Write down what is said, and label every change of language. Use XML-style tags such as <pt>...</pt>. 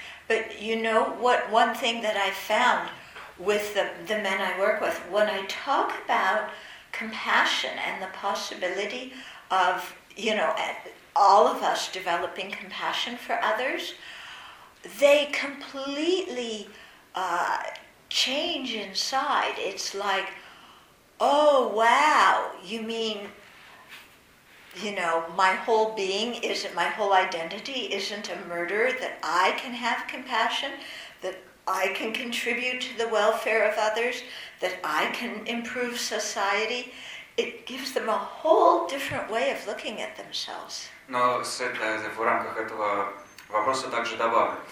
<en>But you know what? One thing that I found with the men I work with, when I talk about compassion and the possibility of, you know, all of us developing compassion for others, they completely change inside. It's like, oh wow, you mean, you know, my whole being isn't, my whole identity isn't a murderer, that I can have compassion, that I can contribute to the welfare of others, that I can improve society. It gives them a whole different way of looking at themselves.</en> <ru>Но в рамках этого вопроса также добавлю.</ru>